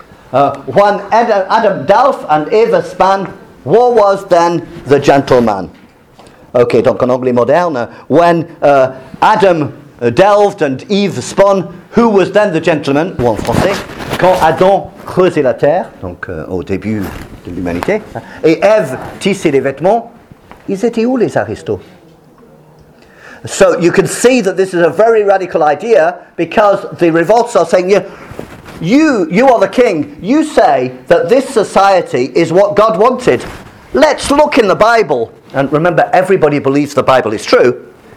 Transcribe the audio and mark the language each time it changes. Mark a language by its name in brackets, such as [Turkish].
[English] When Adam Dalf and Eva Span, what was then the gentleman? Okay, don't conogli moderna. When Adam delved and Eve spun, who was then the gentleman? [French] Ou en français, quand Adam creusait la terre, donc au début de l'humanité, et Eve tissait les vêtements, ils étaient où les aristos? [English] So you can see that this is a very radical idea, because the revolts are saying, you are the king. You say that this society is what God wanted. Let's look in the Bible. And remember, everybody believes the Bible is true.